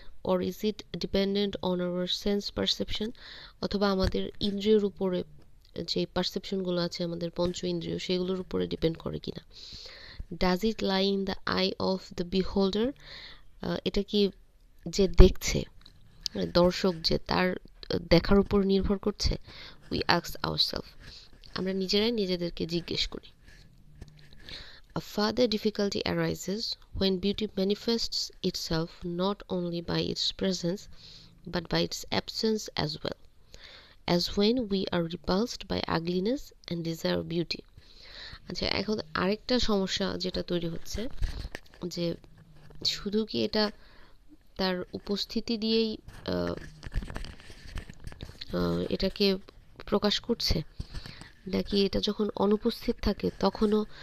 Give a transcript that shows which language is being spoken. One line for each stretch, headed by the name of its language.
Bangla: Or is it dependent on our sense perception, অথবা আমাদের ইন্দ্রিয়ের উপরে যে পারসেপশনগুলো আছে, আমাদের পঞ্চ ইন্দ্রিয়, সেগুলোর উপরে ডিপেন্ড করে কি না? Does it lie in the I of the বিহোল্ডার? এটা কি যে দেখছে, দর্শক যে, তার দেখার উপর নির্ভর করছে? উই আস্ক আওয়ার সেলফ, আমরা নিজেরাই নিজেদেরকে জিজ্ঞেস করি।
English: A further difficulty arises when beauty manifests itself not only by its presence but by its absence as well, as when we are repulsed by ugliness and desire beauty.
Bangla: আচ্ছা, এখন আরেকটা সমস্যা যেটা তৈরি হচ্ছে, যে শুধু কি এটা তার উপস্থিতি দিয়েই এটাকে প্রকাশ করছে, নাকি এটা যখন অনুপস্থিত থাকে তখনও?